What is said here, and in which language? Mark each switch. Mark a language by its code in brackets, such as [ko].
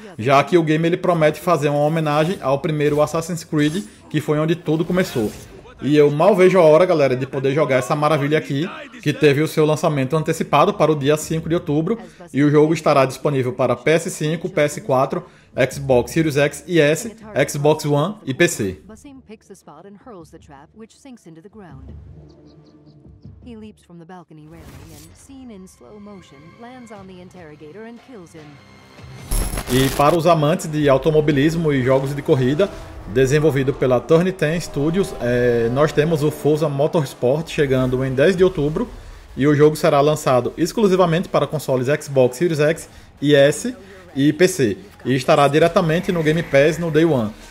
[pt] Já que o game ele promete fazer uma homenagem ao primeiro Assassin's Creed, que foi onde tudo começou. E eu mal vejo a hora, galera, de poder jogar essa maravilha aqui, que teve o seu lançamento antecipado para o dia 5 de outubro, e o jogo estará disponível para PS5, PS4, Xbox Series X e S, Xbox One e PC. [en] Basim picks the spot and hurls the trap, which sinks into the ground. He leaps from the balcony railing and, seen in slow motion, lands on the interrogator and kills him. [pt] E para os amantes de automobilismo e jogos de corrida, desenvolvido pela Turn 10 Studios, nós temos o Forza Motorsport chegando em 10 de outubro e o jogo será lançado exclusivamente para consoles Xbox Series X e S e PC e estará diretamente no Game Pass no Day One.